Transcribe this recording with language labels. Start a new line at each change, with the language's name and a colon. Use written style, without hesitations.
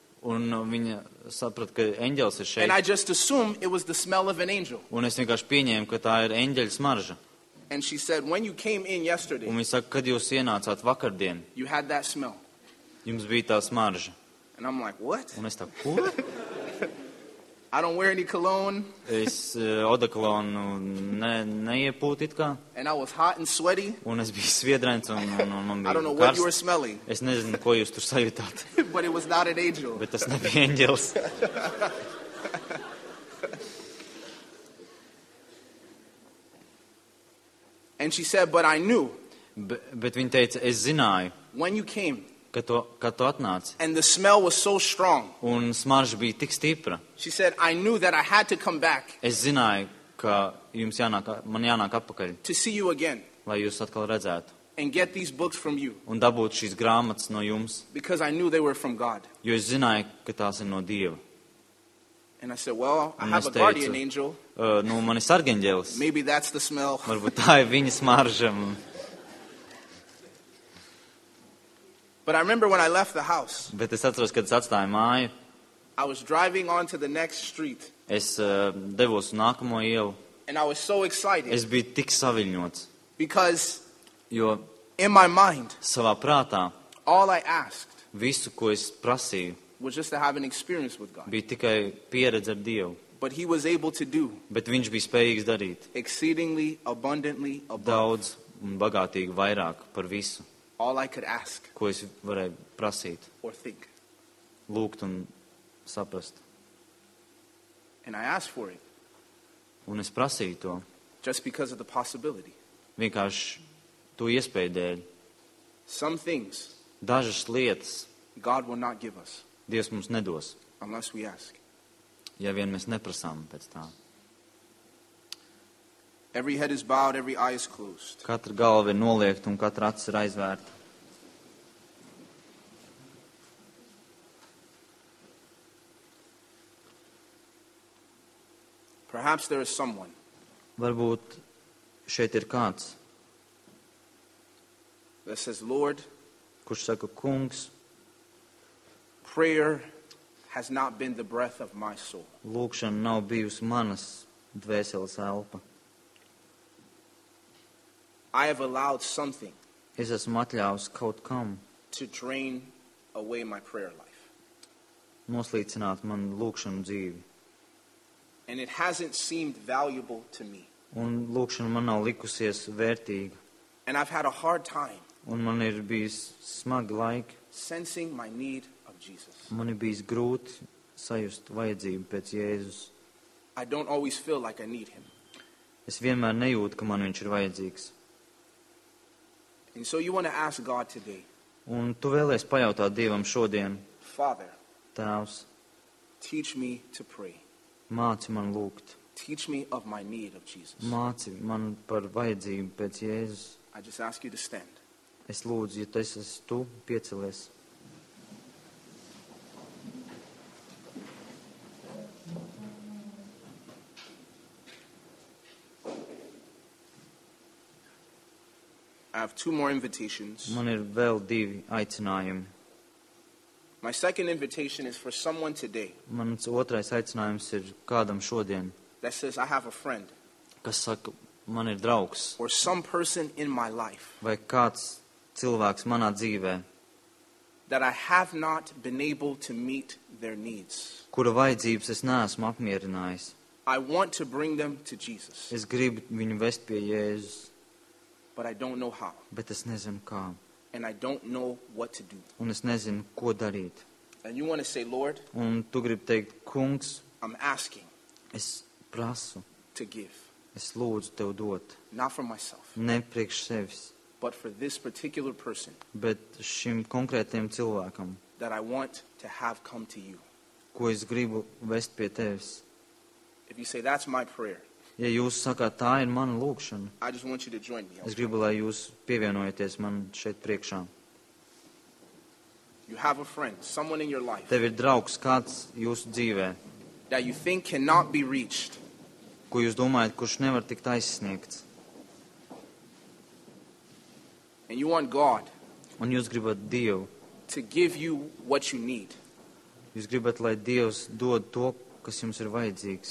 Latvian: Un viņa saprata, ka eņģelis ir šeit.
English: And I just assumed it was the smell of an angel.
Latvian: Un es vienkārši pieņēmu, ka tā ir eņģeļa smarža.
English: And she said, "When you came in yesterday."
Latvian: Un viņa saka, kad jūs ienācāt vakardien.
English: "You had that smell."
Latvian: Jums bija tā smarža.
English: And I'm like, "What?"
Latvian: Un es tā, ko?
English: I don't wear any cologne.
Latvian: Es odakolonu neiepūt it kā.
English: And I was hot and sweaty.
Latvian: Un es biju sviedrains un man bija
English: I don't know what you were smelling.
Latvian: Es nezinu, ko jūs tur sajūtāt.
English: But it was not an angel.
Latvian: Bet tas nebija eņģels.
English: And she said, "But I knew."
Latvian: Bet viņa teica, "Es zināju."
English: When you came.
Latvian: Kad tu atnāc.
English: And the smell was so strong.
Latvian: Un smarža bija tik stipra.
English: She said, "I knew that I had to come back."
Latvian: Es zināju, ka jums jānāk, man jānāk atpakaļ.
English: To see you again.
Latvian: Lai jūs atkal redzētu.
English: And get these books from you.
Latvian: Un dabūt šīs grāmatas no jums.
English: Because I knew they were from God.
Latvian: Jo es zināju, ka tās ir no Dieva.
English: And I said, "Well, I have a guardian angel."
Latvian: Nu, man ir sargeņģēlis.
English: Maybe that's the smell.
Latvian: Varbūt tā ir viņa smarža.
English: But I remember when I left the house.
Latvian: Bet es atceros, kad es atstāju māju.
English: I was driving on to the next street.
Latvian: Es devos uz nākamo ielu.
English: And I was so excited.
Latvian: Es biju tik saviļņots.
English: Because
Latvian: jo
English: in my mind.
Latvian: Savā prātā.
English: All I asked.
Latvian: Visu, ko es prasīju.
English: Was just to have an experience with God.
Latvian: Bija tikai pieredze ar Dievu.
English: But he was able to do.
Latvian: Bet viņš bija spējīgs darīt.
English: Exceedingly abundantly above.
Latvian: Daudz un bagātīgi vairāk par visu.
English: All I could ask.
Latvian: Ko es varēju prasīt.
English: Or think.
Latvian: Lūgt un saprast.
English: And I asked for it.
Latvian: Un es prasīju to.
English: Just because of the possibility.
Latvian: Vienkārši to iespēju dēļ.
English: Some things.
Latvian: Dažas lietas.
English: God will not give us.
Latvian: Dievs mums nedos.
English: Unless we ask.
Latvian: Ja vien mēs neprasām pēc tā.
English: Every head is bowed, every eye is closed.
Latvian: Katra galva ir noliekta un katra acis ir aizvērta.
English: Perhaps there is someone.
Latvian: Varbūt šeit ir kāds.
English: That says, "Lord."
Latvian: Kurš saka, "Kungs."
English: Prayer has not been the breath of my soul.
Latvian: Lūkšana nav bijusi manas dvēseles elpa.
English: I have allowed something.
Latvian: Es esmu atļāvis kaut kam.
English: To drain away my prayer life.
Latvian: Noslīcināt man lūkšanu dzīvi.
English: And it hasn't seemed valuable to me.
Latvian: Un lūkšana man nav likusies vērtīga.
English: And I've had a hard time.
Latvian: Un man ir bijis smagi laiki.
English: Sensing my need of Jesus.
Latvian: Man ir bijis grūti sajust vajadzību pēc Jēzus.
English: I don't always feel like I need him.
Latvian: Es vienmēr nejūtu, ka man viņš ir vajadzīgs.
English: And so you want to ask God today.
Latvian: Un tu vēlies pajautāt Dievam šodien.
English: Father.
Latvian: Tēvs.
English: Teach me to pray.
Latvian: Māci man lūgt.
English: Teach me of my need of Jesus.
Latvian: Māci man par vajadzību pēc Jēzus.
English: I just ask you to stand.
Latvian: Es lūdzu, ja tas esi tu, piecelies.
English: two more invitations.
Latvian: Man ir vēl divi aicinājumi.
English: My second invitation is for someone today.
Latvian: Mans otrais aicinājums ir kādam šodien.
English: That says I have a friend.
Latvian: Kas saka, man ir draugs.
English: Or some person in my life.
Latvian: Vai kāds cilvēks manā dzīvē.
English: That I have not been able to meet their needs.
Latvian: Kura vajadzības es neesmu apmierinājis.
English: I want to bring them to Jesus.
Latvian: Es gribu viņu vest pie Jēzus.
English: But I don't know how.
Latvian: Bet es nezinu kā.
English: And I don't know what to do.
Latvian: Un es nezinu, ko darīt.
English: And you want to say, Lord,
Latvian: un tu gribi teikt, Kungs,
English: I'm asking
Latvian: es prasu
English: to give.
Latvian: Es lūdzu tev dot.
English: Not for myself.
Latvian: Ne priekš sevis.
English: But for this particular person.
Latvian: Bet šim konkrētajam cilvēkam.
English: That I want to have come to you.
Latvian: Ko es gribu vest pie tevis.
English: If you say, that's my prayer.
Latvian: Ja jūs sakāt, tā ir mana lūkšana.
English: I just want you to join me.
Latvian: Es gribu, lai jūs pievienojaties man šeit priekšā.
English: You have a friend, someone in your life.
Latvian: Tev ir draugs, kāds jūsu dzīvē.
English: That you think cannot be reached.
Latvian: Ko jūs domājat, kurš nevar tikt aizsniegts.
English: And you want God.
Latvian: Un jūs gribat Dievu.
English: To give you what you need.
Latvian: Jūs gribat, lai Dievs dod to, kas jums ir vajadzīgs.